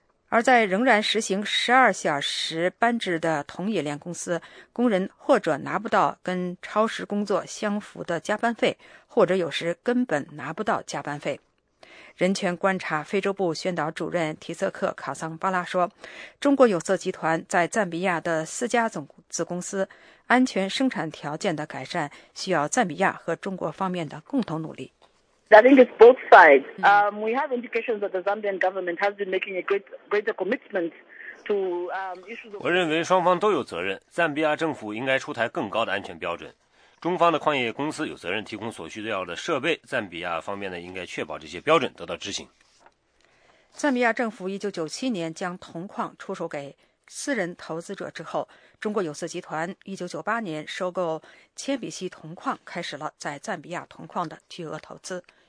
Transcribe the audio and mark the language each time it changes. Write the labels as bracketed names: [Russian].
[Chinese] 而在仍然实行12小时班制的铜冶炼公司，工人或者拿不到跟超时工作相符的加班费，或者有时根本拿不到加班费。人权观察非洲部宣导主任提瑟克·卡桑巴拉说，中国有色集团在赞比亚的4家子公司安全生产条件的改善需要赞比亚和中国方面的共同努力。 [English] I think it's both sides. We have indications that the Zambian government has been making a greater commitment to issues of. [Chinese] 我认为双方都有责任。赞比亚政府应该出台更高的安全标准。中方的矿业公司有责任提供所需要的设备。赞比亚方面呢，应该确保这些标准得到执行。赞比亚政府1997年将铜矿出售给私人投资者之后，中国有色集团1998年收购铅笔烯铜矿，开始了在赞比亚铜矿的巨额投资。